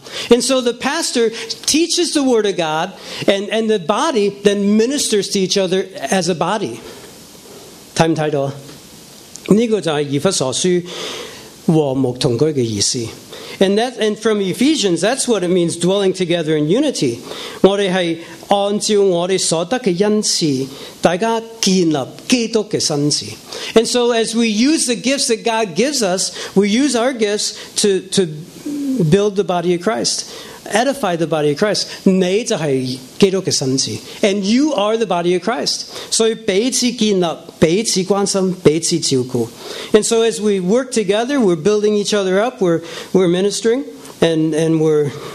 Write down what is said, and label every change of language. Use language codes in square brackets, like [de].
[en] And so the pastor teaches the word of God, and the body then ministers to each other as a body. Time title. [zh] 这个就是以弗所书和睦同居的意思. [en] And from Ephesians, that's what it means, dwelling together in unity. [zh] 我们是按照我们所得的恩赐，大家建立基督的身子. [en] And so as we use the gifts that God gives us, we use our gifts to build the body of Christ. Edify the body of Christ. And you are the body of Christ. So, and so as we work together, we're building each other up, we're ministering, and we're